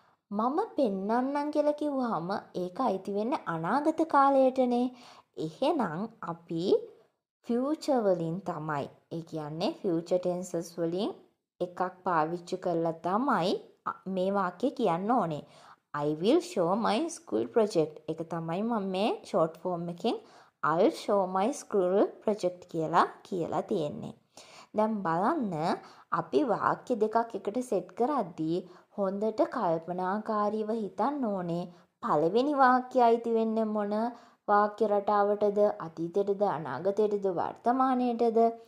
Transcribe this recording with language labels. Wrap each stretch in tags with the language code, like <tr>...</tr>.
<si>මම පෙන්වන්නම් කියලා කිව්වහම ඒක අයිති වෙන්නේ අනාගත කාලයටනේ. එහෙනම් අපි future වලින් තමයි, ඒ කියන්නේ future tenses වලින් එකක් පාවිච්චි කරලා තමයි මේ වාක්‍ය කියන්න ඕනේ.</si> <en>I will show my school project.</en> <si>ඒක තමයි මම මේ short form එකෙන්</si> <en>I'll show my school project</en> <si>කියලා තියෙන්නේ. දැන් බලන්න අපි වාක්‍ය දෙකක් එකට සෙට් කරද්දී හොඳට කල්පනාකාරීව හිතන්න ඕනේ පළවෙනි වාක්‍යය අයිති වෙන්නේ මොන වාක්‍ය රටාවටද, අතීතයටද, අනාගතයටද, වර්තමානයටද?</si>